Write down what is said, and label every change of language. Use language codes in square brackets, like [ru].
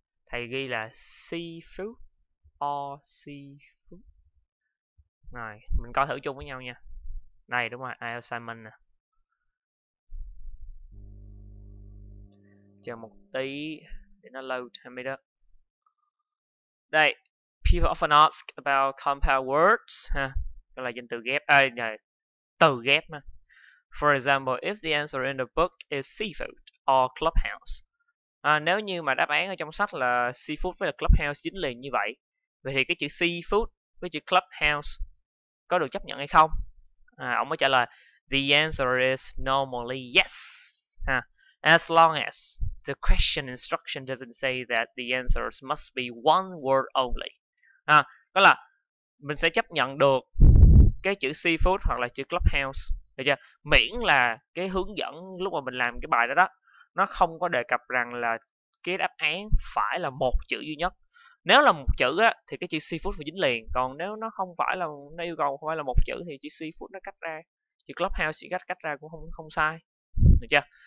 [vi] Thầy ghi là seafood or seafood. Rồi, mình coi thử chung với nhau nha. Này đúng rồi, IELTS nè. Chờ một tí để nó load hay mới đó. [en] Đây, people often ask about compound words. [vi] Đó là danh từ ghép, từ ghép mà. [en] For example, if the answer in the book is seafood or clubhouse. [vi] Nếu như mà đáp án ở trong sách là seafood với là clubhouse dính liền như vậy, vậy thì cái chữ seafood với chữ clubhouse có được chấp nhận hay không? Ông mới trả lời [en] the answer is normally yes. As long as the question instruction doesn't say that the answers must be one word only. [vi] Đó là mình sẽ chấp nhận được cái chữ seafood hoặc là chữ clubhouse. Được chưa? Miễn là cái hướng dẫn lúc mà mình làm cái bài đó đó nó không có đề cập rằng là cái đáp án phải là một chữ duy nhất. Nếu là một chữ á thì cái chữ seafood phải dính liền, còn nếu nó không phải là nó yêu cầu phải là một chữ thì chữ seafood nó cách ra, chữ clubhouse chỉ cách cách ra cũng không không sai. Được chưa?